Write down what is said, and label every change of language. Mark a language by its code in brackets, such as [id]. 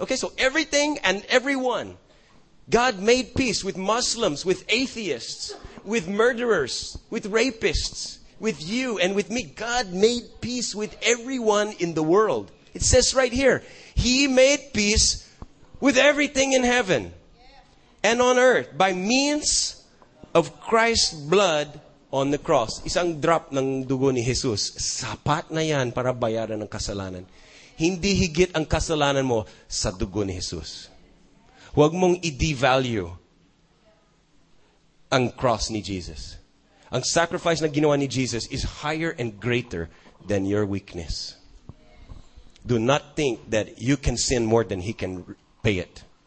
[en] Okay, so everything and everyone. God made peace with Muslims, with atheists, with murderers, with rapists, with you and with me. God made peace with everyone in the world. It says right here, He made peace with everything in heaven and on earth by means of Christ's blood on the cross. [tl] Isang drop ng dugo ni Jesus. Sapat na yan para bayaran ng kasalanan. Hindi higit ang kasalanan mo sa dugo ni Jesus. Huwag mong i-devalue ang cross ni Jesus. Ang sacrifice na ginawa ni Jesus [en] is higher and greater than your weakness. Do not think that you can sin more than He can pay it.